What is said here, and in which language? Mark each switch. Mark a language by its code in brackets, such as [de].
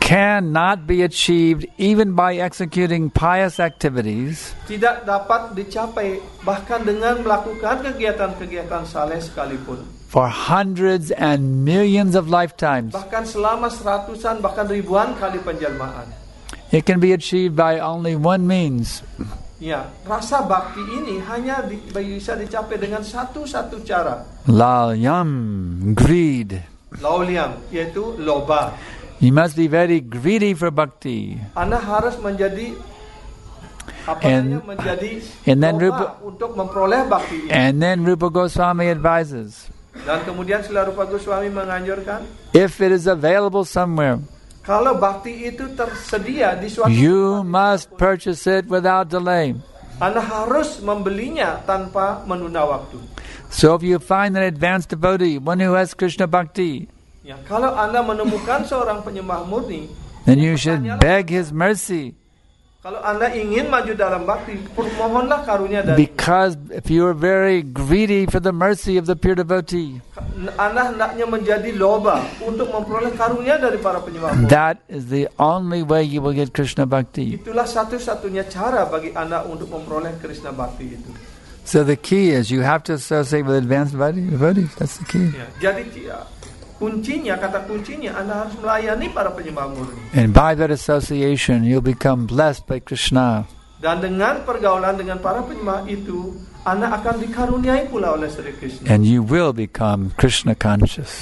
[en] cannot be achieved even by executing pious activities. [id] Tidak dapat dicapai bahkan dengan melakukan kegiatan-kegiatan saleh sekalipun. [en] For hundreds and millions of lifetimes. [id] Bahkan selama seratusan bahkan ribuan kali penjelmaan. [en] It can be achieved by only one means. [id] Ya, rasa bakti ini hanya bisa dicapai dengan satu-satu cara. [en] Lalyam, greed. [id] Lalyam, yaitu loba. [en] You must be very greedy for bakti. [id] Anda harus menjadi loba untuk memperoleh bakti ini. [en] And then Rupa Goswami advises. [id] Dan kemudian Srila Rupa Goswami menganjurkan. [en] If it is available somewhere. [id] Kalau bakti itu tersedia di suatu [en] you [id] tempat, [en] must purchase it without delay. [id] Anda harus membelinya tanpa menunda waktu. [en] So if you find an advanced devotee, one who has Krishna bhakti. [id] Ya, kalau Anda menemukan seorang penyembah murni, [en] then you should beg his mercy. [id] Kalau Anda ingin maju dalam bhakti, permohonlah karunia dari. [en] Because if you are very greedy for the mercy of the pure devotee, [id] Anda hendaknya menjadi loba untuk memperoleh karunia dari para penyembah. [en] That is the only way you will get Krishna bhakti. [id] Itulah satu-satunya cara bagi Anda untuk memperoleh Krishna bhakti itu. [en] So the key is you have to associate with advanced devotees. That's the key. [id] Jadi kuncinya, kata kuncinya, Anda harus melayani para penyembah murni. [en] And by that association, you'll become blessed by Krishna. [id] Dan dengan pergaulan dengan para penyembah itu, Anda akan dikaruniai pula oleh Sri Krishna. [en] And you will become Krishna conscious.